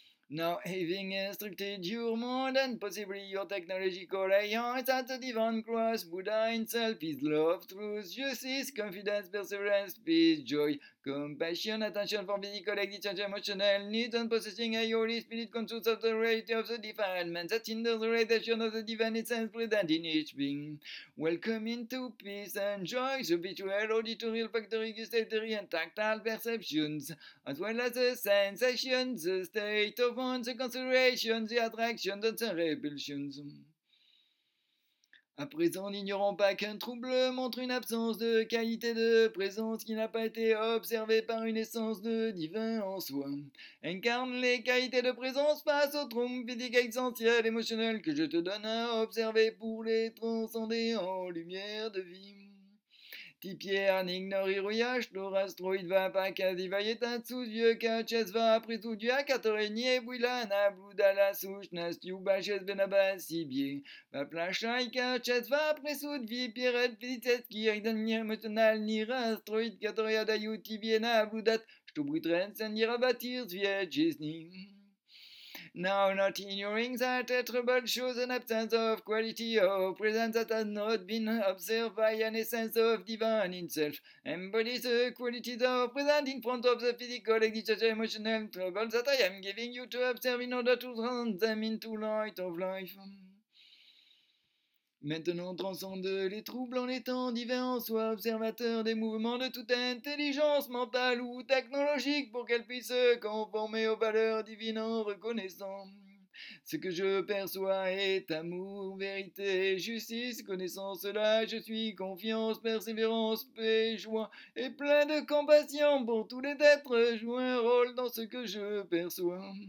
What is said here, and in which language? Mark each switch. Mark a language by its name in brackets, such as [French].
[English] Now, having instructed your mind and possibly your technological alliance at the divine cross, Buddha himself is love, truth, justice, confidence, perseverance, peace, joy, compassion, attention for physical, exigent, emotional needs, and possessing a holy spirit, conscious of the reality of the defilement that hinders the realization of the divine essence present in each being. Welcome into peace and joy, the visual, auditory, olfactory, gustatory, and tactile perceptions, as well as the sensations, the state of mind, the considerations, the attractions, and the repulsions. [French] À présent, n'ignorons pas qu'un trouble montre une absence de qualité de présence qui n'a pas été observée par une essence de divin en soi. Incarne les qualités de présence face au trouble physique existentiel émotionnel que je te donne à observer pour les transcender en lumière de vie. Pierre n'ignore rouillage, l'orastroïde va pas quasi va y être un sous-dieu, qu'un chess va après tout du à Catherine et Bouillan, à Boudala souche, Nastiou, Baches, Benabas, Sibier, va plachaï, qu'un chess va après tout de vie, Pierrette, Félicette, qui est dans l'irmotional, ni rastroïde, Catherine, Adayou, Tibiena, à Boudat, Stoubritren, Sandira, Batir, Zviet, Gisny. [English] Now, not ignoring that a trouble shows an absence of quality or presence that has not been observed by an essence of divine in self. Embody the qualities of present in front of the physical, existential, emotional troubles that I am giving you to observe in order to turn them into light of life. [French] Maintenant, transcende les troubles en étant divin en soi, observateur des mouvements de toute intelligence mentale ou technologique pour qu'elle puisse se conformer aux valeurs divines en reconnaissant. Ce que je perçois est amour, vérité, justice, connaissant cela, je suis confiance, persévérance, paix, joie et plein de compassion pour tous les êtres jouant un rôle dans ce que je perçois.